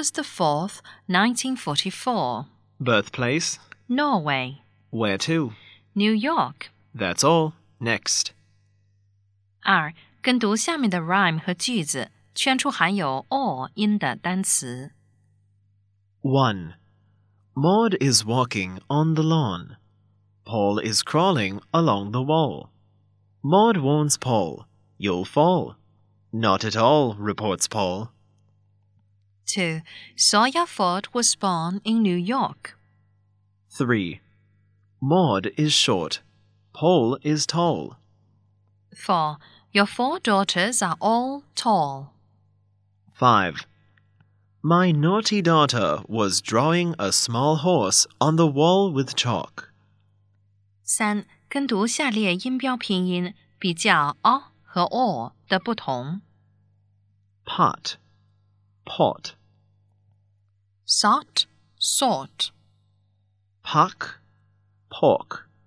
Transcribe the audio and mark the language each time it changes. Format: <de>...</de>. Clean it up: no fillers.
<en>August 4th, 1944. Birthplace? Norway. Where to? New York. That's all. Next.</en> <zh>二，跟读下面的 rhyme 和句子，圈出含有 or 音的单词。</zh> <en>One. Maud is walking on the lawn. Paul is crawling along the wall. Maud warns Paul, "You'll fall." Not at all, reports Paul. Two. Sawyer Ford was born in New York. Three. Maud is short. Paul is tall. Four. Your four daughters are all tall. Five. My naughty daughter was drawing a small horse on the wall with chalk.</en> <zh>三，跟读下列音标拼音，比较 o 和 o 的不同。</zh> <en>Pot, pot. Sot, sort. Puck. Pork.</en>